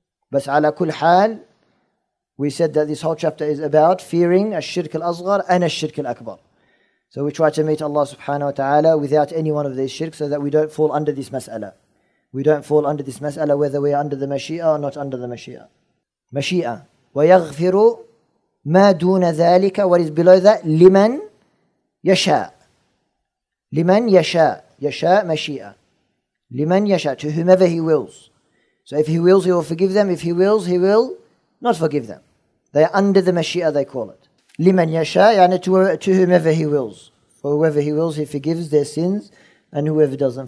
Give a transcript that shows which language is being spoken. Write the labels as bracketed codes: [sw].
[ar] بس على كل حال, [en] we said that this whole chapter is about fearing الشرك الأصغر and الشرك الأكبر. So we try to meet Allah subhanahu wa ta'ala without any one of these shirk, so that we don't fall under this mas'ala. We don't fall under this mas'ala, whether we are under the Mashi'ah or not under the Mashi'ah. Mashi'ah. [ar] وَيَغْفِرُ مَا دُونَ ذَٰلِكَ, [en] what is below that, [ar] لِمَنْ يَشَاء. لِمَنْ يَشَاء. يَشَاء مَشِيئَة. لِمَنْ يَشَاء, [en] to whomever he wills. So if he wills, he will forgive them. If he wills, he will not forgive them. They are under the Mashi'ah, they call it. [ar] لِمَنْ يَشَاء, [en] يعني to whomever he wills. For whoever he wills, he forgives their sins, and whoever doesn't.